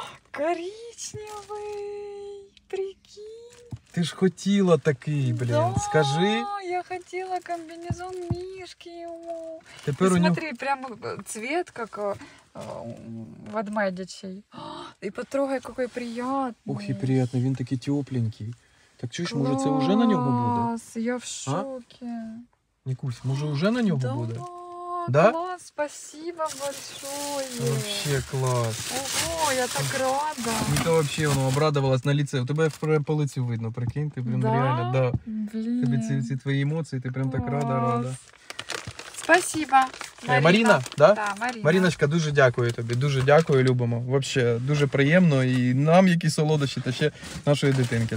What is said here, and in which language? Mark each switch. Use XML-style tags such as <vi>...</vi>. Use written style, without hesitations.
<ru>Коричневый! Прикинь! Ты ж хотела такие, блин, да, скажи! Я хотела комбинезон Мишки ему! Теперь у смотри, него... прям цвет как... в Адмедичей. И потрогай, какой приятный. Ух, и приятный.</ru> <uk>Він такий тепленький. Так чуєш, може, це уже на нього буде?</uk> <ru>Я в шоке.</ru> <uk>Нікусь, може, уже на нього да, буде?</uk> <ru>Да, да? Класс, спасибо большое. Вообще класс. Ого, я так рада. Ника вообще, ну, обрадовалась на лице. У тебя прям по лицу видно, прикинь, ты прям, да? Реально, да. Блин.</ru> <uk>Тебе ці твої емоції, ти прям так рада.</uk> <ru>Спасибо. Марина. Марина, да? Да, Марина.</ru> <uk>Мариночка, дуже дякую тобі, дуже дякую, любимо.</uk> <ru>Вообще,</ru> <uk>дуже приємно і нам які солодощі, та ще нашої дитинки.</uk>